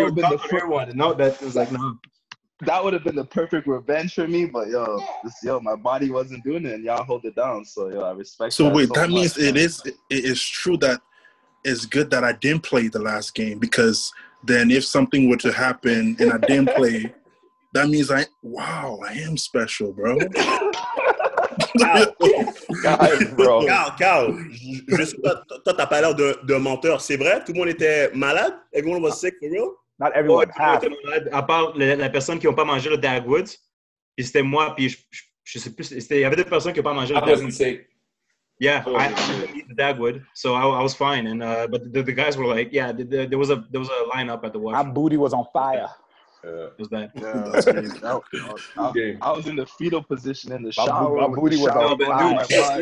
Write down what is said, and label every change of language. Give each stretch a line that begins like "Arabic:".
English: That would have been the perfect revenge for me, but my body wasn't doing it, and y'all hold it down, so I respect. It is true that it's good that I didn't play the last game, because then if something were to happen and I didn't play, that means I am special, bro.
French: Carl, toi t'as pas l'air de menteur, c'est vrai? Tout le monde était malade?
English: Everyone was sick for real? Not everyone.
French: À part la personne qui n'a pas mangé le Dagwoods, puis c'était moi, puis je sais plus, il y avait des personnes qui n'ont pas mangé le
English: Dagwoods. I wasn't sick. Yeah, I didn't eat the Dagwood, so I was fine. And but the guys were like, yeah, there was a lineup at the watch. My booty was on fire. Yeah. It was that. I was in the fetal position in the shower. My booty was on fire.